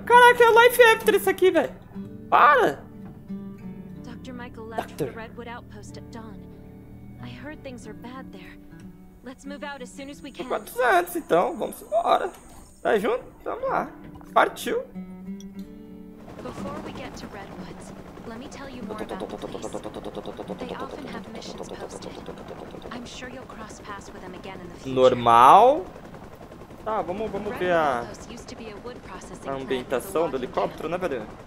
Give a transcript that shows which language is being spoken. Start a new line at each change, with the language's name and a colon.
Portuguese: Caraca, é o Life After isso aqui, velho. Para! Dr.
English: Michael left for the Redwood Outpost at dawn. I heard things are bad there. Let's move out as soon as we can.
Portuguese: 400 anos, então, vamos embora. Tá junto? Vamos lá. Partiu.
English: Before we get to Redwoods, let me tell you more about the I'm sure you'll cross paths with them again in the future.
Portuguese: Normal. Tá, vamos ver a ambientação do helicóptero, né, velho?